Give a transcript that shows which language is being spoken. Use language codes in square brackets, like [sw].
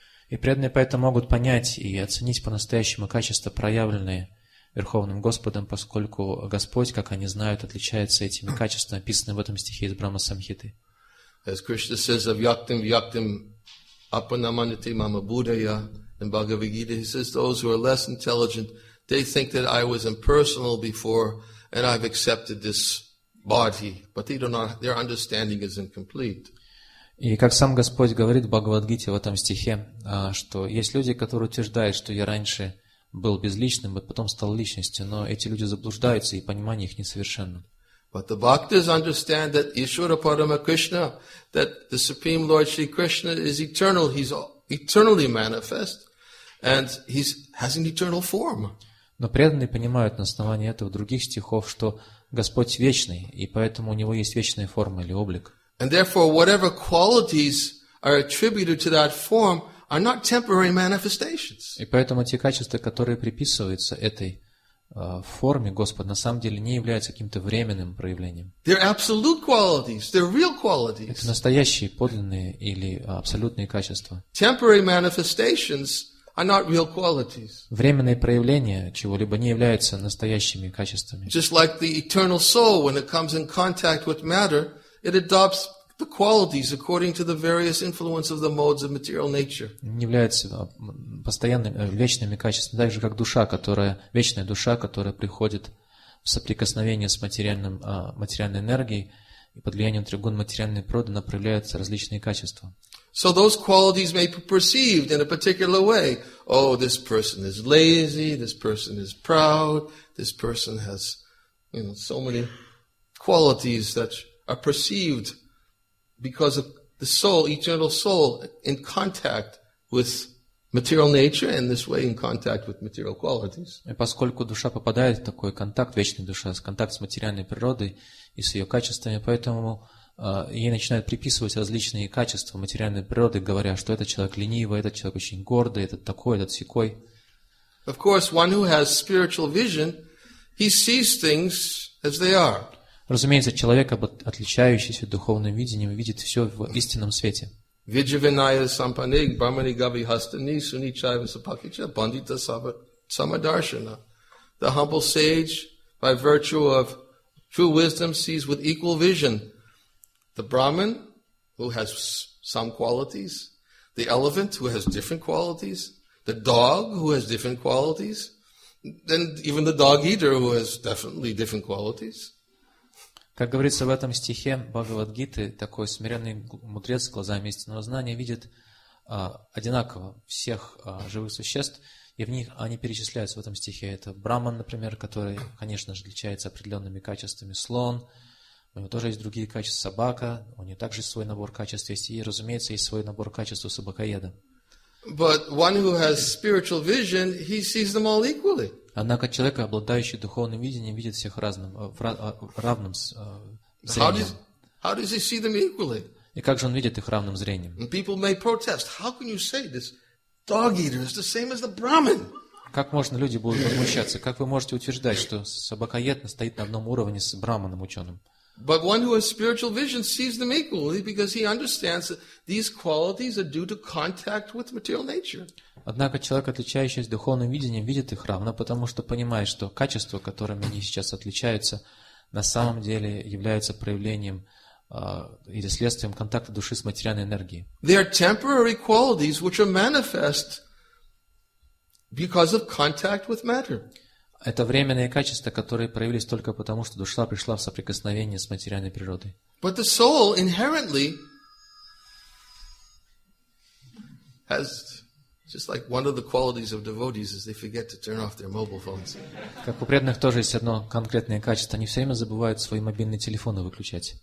[ru] И преданные поэтому могут понять и оценить по-настоящему качества, проявленные Верховным Господом, поскольку Господь, как они знают, отличается этими качествами, описанными в этом стихе из Брахма Самхиты. [en] As Krishna says, [sa] "Avyaktim vyaktim apanamanite mama buddhaya" [en] in Bhagavad Gita, He says, "Those who are less intelligent, they think that I was impersonal before, and I've accepted this body, but they do not. Their understanding is incomplete." [ru] И как сам Господь говорит в Бхагавадгите в этом стихе, что есть люди, которые утверждают, что я раньше был безличным, а потом стал личностью, но эти люди заблуждаются, и понимание их несовершенно. [en] But the bhaktas understand that Ishvara Parama Krishna, that the Supreme Lord Shri Krishna is eternal, He's eternally manifest, and He has an eternal form. [ru] Но преданные понимают на основании этого других стихов, что Господь вечный, и поэтому у Него есть вечная форма или облик. [en] And therefore, whatever qualities are attributed to that form are not temporary manifestations. [ru] И поэтому те качества, которые приписываются этой форме Господа, на самом деле не являются каким-то временным проявлением. [en] They're absolute qualities. They're real qualities. [ru] Это настоящие, подлинные или абсолютные качества. [en] Temporary manifestations are not real qualities. [ru] Временные проявления чего-либо не являются настоящими качествами. [en] Just like the eternal soul, when it comes in contact with matter, it adopts the qualities according to the various influence of the modes of material nature. [ru] Не является постоянными вечными качествами, так же как душа, которая вечная душа, которая приходит в соприкосновение с материальным материальной энергией и под влиянием тригун материальной природы проявляются различные качества. [en] So those qualities may be perceived in a particular way. Oh, this person is lazy, this person is proud, this person has, you know, so many qualities that are perceived because of the soul, eternal soul, in contact with material nature, and this way in contact with material qualities. [ru] И поскольку душа попадает в такой контакт, вечная душа, в контакт с материальной природой и с ее качествами, поэтому ей начинают приписывать различные качества материальной природы, говоря, что этот человек ленивый, этот человек очень гордый, этот такой, этот сякой. [en] Of course, one who has spiritual vision, he sees things as they are. [ru] Разумеется, человек, отличающийся духовным видением, видит все в истинном свете. [sa] Виджавиная сампанег бармани гави хастани суни чайва сапакича бандита самадаршана. [en] The humble sage, by virtue of true wisdom, sees with equal vision the Brahmin, who has some qualities, the elephant, who has different qualities, the dog, who has different qualities, and even the dog-eater, who has definitely different qualities. [ru] Как говорится в этом стихе Бхагавад-гиты, такой смиренный мудрец с глазами истинного знания видит одинаково всех живых существ, и в них они перечисляются в этом стихе. Это Брахман, например, который, конечно же, отличается определенными качествами, слон, у него тоже есть другие качества, собака, у него также свой набор качеств есть, и, разумеется, есть свой набор качеств у собакоеда. [en] But one who has spiritual vision, he sees them all equally. [ru] Однако человек, обладающий духовным видением, видит всех разным, равным зрением. [en] How does he see them equally? [ru] И как же он видит их равным зрением? [en] And people may protest. How can you say this dog eater is the same as the Brahmin? [ru] Как можно люди будут возмущаться? Как вы можете утверждать, что собакоед стоит на одном уровне с Брахманом ученым? [en] But one who has spiritual vision sees them equally because he understands that these qualities are due to contact with material nature. [ru] Однако человек, отличающийся духовным видением, видит их равно, потому что понимает, что качества, которыми они сейчас отличаются, на самом деле являются проявлением или следствием контакта души с материальной энергией. [en] They are temporary qualities which are manifest because of contact with matter. [ru] Это временные качества, которые проявились только потому, что душа пришла в соприкосновение с материальной природой. [en] But the soul inherently has just like one of the qualities of devotees is they forget to turn off their mobile phones. [ru] Как у преданных тоже есть одно конкретное качество. Они все время забывают свои мобильные телефоны выключать.